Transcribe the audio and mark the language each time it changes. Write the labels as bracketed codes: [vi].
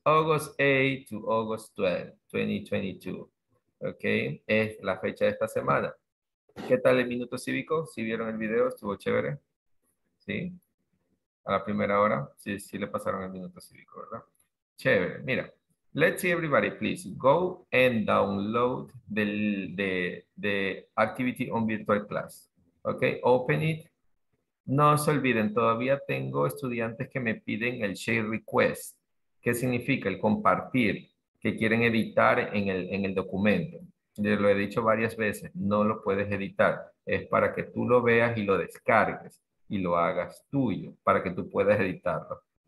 [en] August 8 to August 12, 2022. [es] Ok, es la fecha de esta semana. ¿Qué tal el minuto cívico? ¿Sí vieron el video? ¿Estuvo chévere? ¿Sí? A la primera hora. Sí, sí le pasaron el minuto cívico, ¿verdad? Chévere, mira. [en] Let's see everybody, please go and download the activity on virtual class. Ok, open it. [es] No se olviden, todavía tengo estudiantes que me piden el share request. ¿Qué significa el compartir? Que quieren editar en el documento. Yo lo he dicho varias veces, no lo puedes editar. Es para que tú lo veas y lo descargues y lo hagas tuyo, para que tú puedas editarlo.